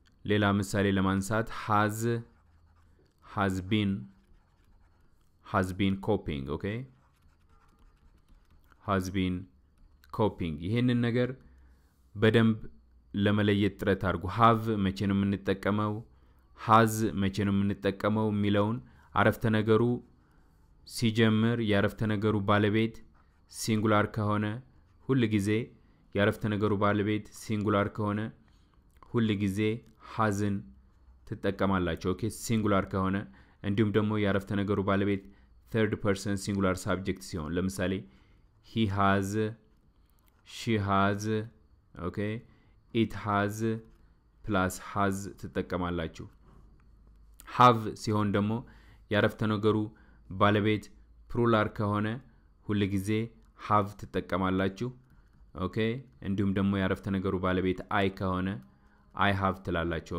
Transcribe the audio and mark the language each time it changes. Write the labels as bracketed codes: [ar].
[am] ሌላ ምሳሌ ለማንሳት [en] has been copying, okay? Has been copying. [am] ይሄንን ነገር በደንብ ለመለየት ጥረት አድርጉ. Have መቼ ነው የምንጠቀመው? Has መቼ ነው የምንጠቀመው? የሚለውን አረፍተ ነገሩ ሲጀምር ያረፍተ ነገሩ ባለቤት ሲንጉላር ከሆነ ሁልጊዜ ያረፍተ ነገሩ ባለቤት ሲንጉላር ከሆነ ሁልጊዜ hasn ትጠቀማላችሁ. ኦኬ ሲንጉላር ከሆነ እንዲሁም ደግሞ ያረፍተ ነገሩ ባለቤት third person singular subject ሲሆን ለምሳሌ [en] he has she has okay it has [am] plus has ትጠቀማላችሁ. have ሲሆን ደግሞ ያረፍተ ነገሩ ባለቤት plural ከሆነ ሁልጊዜ have ትጠቀማላችሁ. ኦኬ እንዲሁም ደግሞ ያረፍተ ነገሩ ባለቤት i ከሆነ i have ትላላችሁ.